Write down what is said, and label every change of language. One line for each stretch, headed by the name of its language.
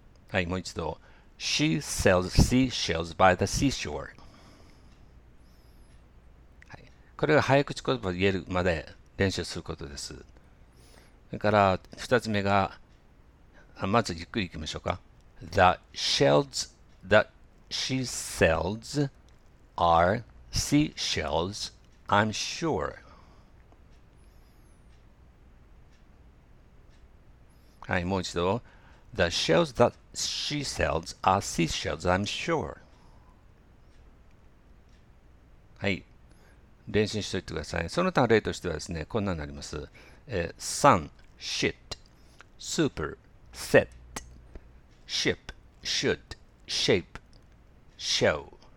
Japanese: はい、もう一度。
English: She sells seashells by the seashore。
Japanese: これが早口言葉を言えるまで練習することです。それから、二つ目が、まずゆっくり行きましょうか。
English: The shells that she sells are seashells, I'm sure。
Japanese: はい、もう一度。 The shells that she sells are seashells, I'm sure. はい。練習しておいてください。その他例としてはですね、こんなになります。
English: sun, shit, super, set, ship, should, shape, show.